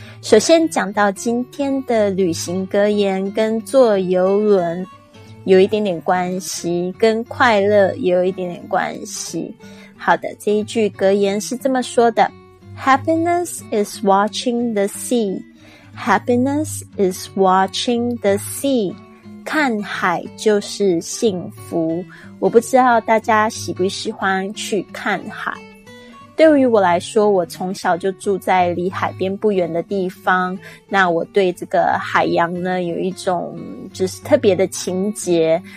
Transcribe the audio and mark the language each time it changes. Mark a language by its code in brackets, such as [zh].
[zh] 首先讲到今天的旅行格言跟坐游轮有一点点关系，跟快乐也有一点点关系。好的，这一句格言是这么说的， [en] Happiness is watching the sea. Happiness is watching the sea. [zh] 看海就是幸福。我不知道大家喜不喜欢去看海，对于我来说，我从小就住在离海边不远的地方，那我对这个海洋呢有一种就是特别的情结。